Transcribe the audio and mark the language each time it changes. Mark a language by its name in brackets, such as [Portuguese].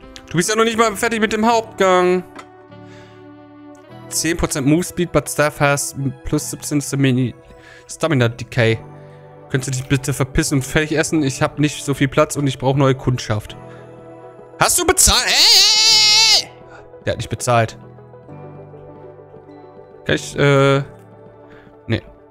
[German] Du bist ja noch nicht mal fertig mit dem Hauptgang. [English] 10% Move Speed, but Staff has plus 17 Stamina Decay. [German] Könntest du dich bitte verpissen und fertig essen? Ich habe nicht so viel Platz und ich brauche neue Kundschaft. Hast du bezahlt? Der hat nicht bezahlt. Kann ich, nee.